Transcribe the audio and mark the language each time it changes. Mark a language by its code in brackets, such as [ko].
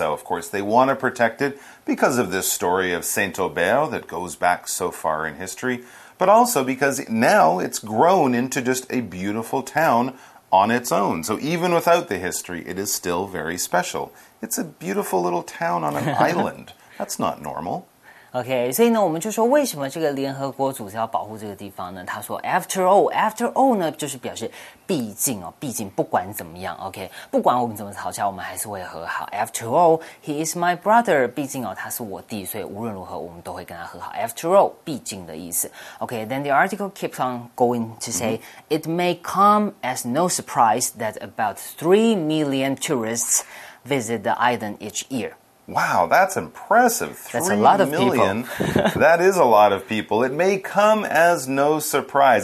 [en] So, of course, they want to protect it because of this story of Saint Aubert that goes back so far in history, but also because now it's grown into just a beautiful town on its own. So even without the history, it is still very special. It's a beautiful little town on an island. That's not normal. [zh] OK, 所以呢，我们就说为什么这个联合国组织要保护这个地方呢？他说 [en] after all [zh] 呢，就是表示毕竟哦，毕竟不管怎么样 ，OK， 不管我们怎么吵架，我们还是会和好。 [en] After all, he is my brother. [zh] 毕竟哦，他是我弟，所以无论如何，我们都会跟他和好。 [en] After all, [zh] 毕竟的意思。 [en] OK, then the article keeps on going to say, it may come as no surprise that about 3 million tourists visit the island each year. Wow, that's impressive. That's a lot of million. People. That is a lot of people. It may come as no surprise.